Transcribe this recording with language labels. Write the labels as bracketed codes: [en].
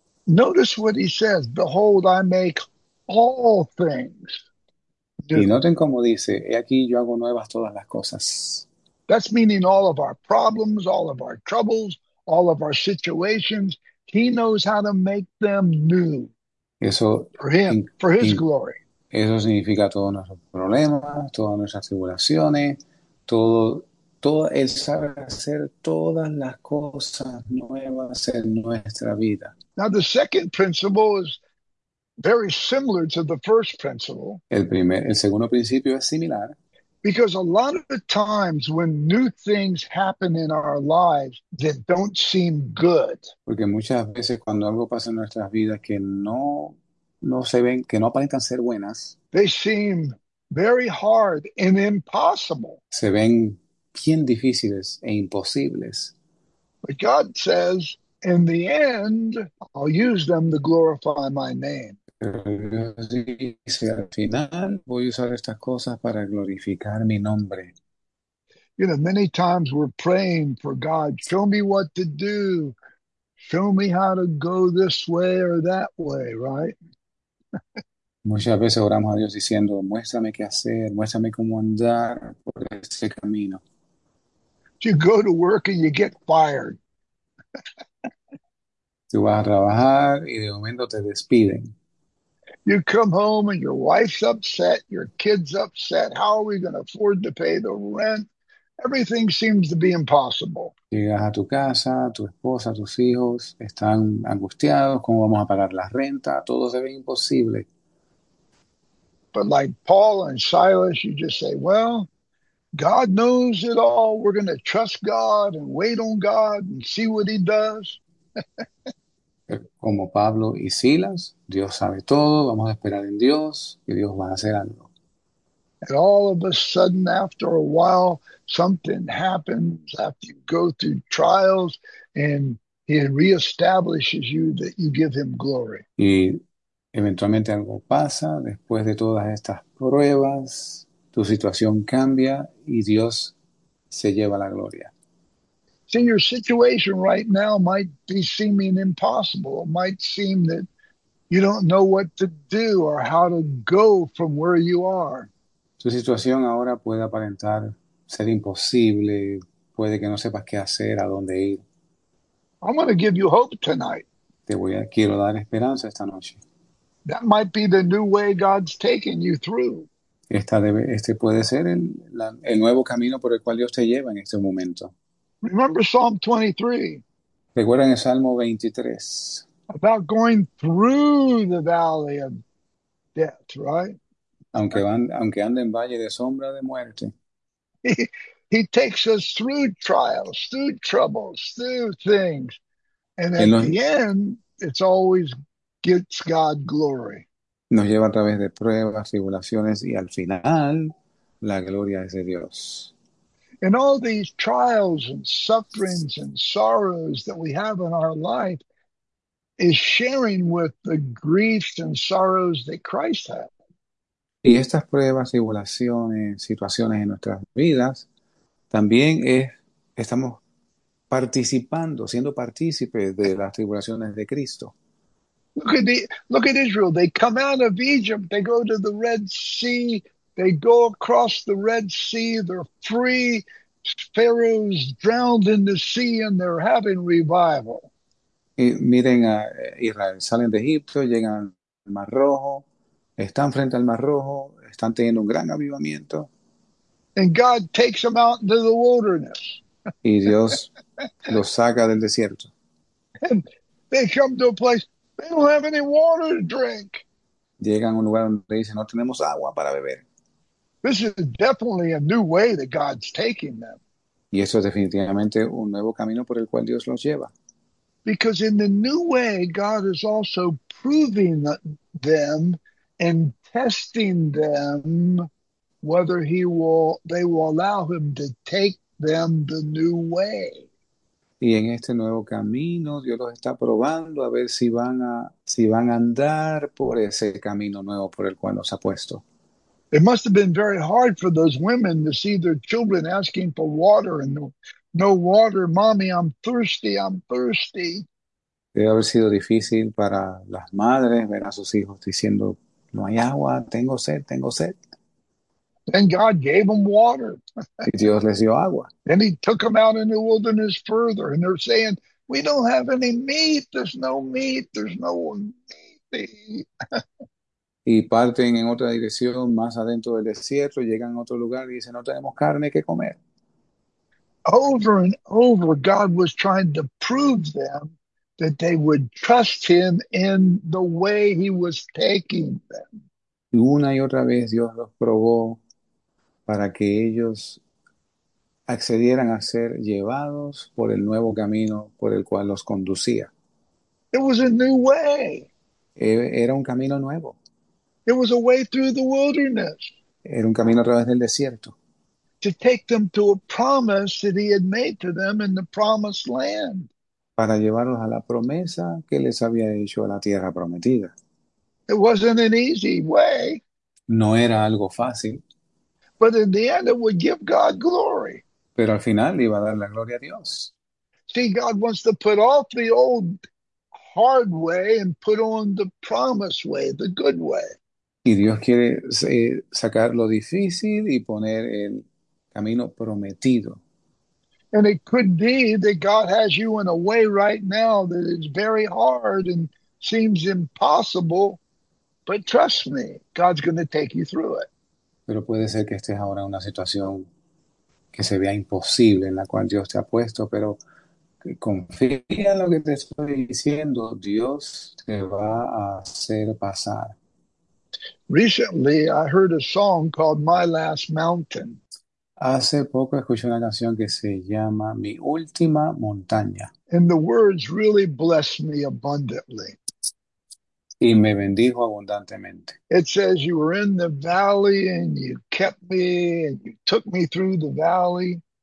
[en] Notice what he says, behold, I make all things [es] Y [en] new. [es] noten cómo dice, he aquí yo hago nuevas todas las cosas. [en] That's meaning all of our problems, all of our troubles, all of our situations. He knows how to make them new [es] Eso [en] for him, for his glory. [es] significa todos nuestros problemas, todas nuestras tribulaciones, todo el saber hacer todas las cosas nuevas en nuestra vida. [en] Now, the second principle is very similar to the first principle. [es] El segundo principio es similar. [en] Because a lot of the times when new things happen in our lives that don't seem good, [es] Porque muchas veces cuando algo pasa en nuestras vidas que no se ven, que no aparentan ser buenas, [en] they seem very hard and impossible. [es] se ven bien difíciles e imposibles. [en] But God says, in the end, I'll use them to glorify my name. [es] Pero dice, al final voy a usar estas cosas para glorificar mi nombre. [en] You know, many times we're praying for God, show me what to do. Show me how to go this way or that way, right? [es] Muchas veces oramos a Dios diciendo, muéstrame qué hacer, muéstrame cómo andar por ese camino. [en] You go to work and you get fired. [es] Tú vas a trabajar y de momento te despiden. [en] You come home and your wife's upset, your kid's upset. How are we going to afford to pay the rent? Everything seems to be impossible. [es] Llegas a tu casa, tu esposa, tus hijos están angustiados, ¿cómo vamos a pagar la renta? Todo se ve imposible. [en] But like Paul and Silas, you just say, well, God knows it all. We're going to trust God and wait on God and see what he does. [es] Como Pablo y Silas, Dios sabe todo, vamos a esperar en Dios y Dios va a hacer algo. [en] And all of a sudden, after a while, something happens after you go through trials and he reestablishes you that you give him glory. [es] Y eventualmente algo pasa, después de todas estas pruebas, tu situación cambia y Dios se lleva la gloria. [en] See, your situation right now might be seeming impossible. It might seem that you don't know what to do or how to go from where you are. [es] Tu situación ahora puede aparentar ser imposible, puede que no sepas qué hacer, a dónde ir. [en] I'm going to give you hope tonight. [es] Quiero dar esperanza esta noche. [en] That might be the new way God's taking you through. [es] Este puede ser el nuevo camino por el cual Dios te lleva en este momento. [en] Remember Psalm 23 [es] Recuerden el Salmo 23. [en] about going through the valley of death, right? [es] Aunque ande en valle de sombra de muerte. [en] He takes us through trials, through troubles, through things. And [es] En [en] at [es] los, [en] the end, it's always gets God glory. [es] nos lleva a través de pruebas, tribulaciones y al final la gloria es de Dios. [en] And all these trials and sufferings and sorrows that we have in our life is sharing with the griefs and sorrows that Christ had. [es] Y estas pruebas, tribulaciones, situaciones en nuestras vidas, también estamos participando, siendo partícipes de las tribulaciones de Cristo. [en] Look at Israel. They come out of Egypt. They go to the Red Sea. They go across the Red Sea. They're free. Pharaoh's drowned in the sea and they're having revival. [es] Y miren a Israel, salen de Egipto, llegan al Mar Rojo. Están frente al Mar Rojo, están teniendo un gran avivamiento. [en] And God takes them out into the wilderness. [es] Y Dios los saca del desierto. [en] And they come to a place. They don't have any water to drink. [es] Llegan a un lugar donde dicen, no tenemos agua para beber. [en] This is definitely a new way that God's taking them. [es] Y eso es definitivamente un nuevo camino por el cual Dios los lleva. [en] Because in the new way, God is also proving them and testing them whether they will allow him to take them the new way. [es] Y en este nuevo camino, Dios los está probando a ver si van a andar por ese camino nuevo por el cual los ha puesto. [en] It must have been very hard for those women to see their children asking for water and no water. Mommy, I'm thirsty, I'm thirsty. [es] Debe haber sido difícil para las madres ver a sus hijos diciendo, no hay agua, tengo sed, tengo sed. [en] Then God gave them water. [es] Y Dios les dio agua. [en] Then he took them out in the wilderness further. And they're saying, we don't have any meat. There's no meat. There's no meat. [es] Y parten en otra dirección, más adentro del desierto, llegan a otro lugar y dicen, no tenemos carne que comer. [en] Over and over, God was trying to prove them that they would trust him in the way he was taking them. [es] Y una y otra vez Dios los probó para que ellos accedieran a ser llevados por el nuevo camino por el cual los conducía. [en] It was a new way. [es] Era un camino nuevo. [en] It was a way through the wilderness [es] Era un camino a través del desierto. [en] to take them to a promise that he had made to them in the promised land. [es] Para llevarlos a la promesa que les había hecho a la tierra prometida. [en] It wasn't an easy way, [es] No era algo fácil. [en] but in the end, it would give God glory. [es] Pero al final iba a dar la gloria a Dios. [en] See, God wants to put off the old hard way and put on the promised way, the good way. [es] Y Dios quiere sacar lo difícil y poner el camino prometido. [en] And it could be that God has you in a way right now that is very hard and seems impossible, but trust me, God's going to take you through it. [es] Pero puede ser que estés ahora en una situación que se vea imposible, en la cual Dios te ha puesto, pero confía en lo que te estoy diciendo, Dios te va a hacer pasar. [en] Recently, I heard a song called My Last Mountain. [es] Hace poco escuché una canción que se llama Mi última montaña. [en] And the words really blessed me abundantly. [es] Y me bendijo abundantemente. [en] It says, you were in the valley and you kept me and you took me through the valley.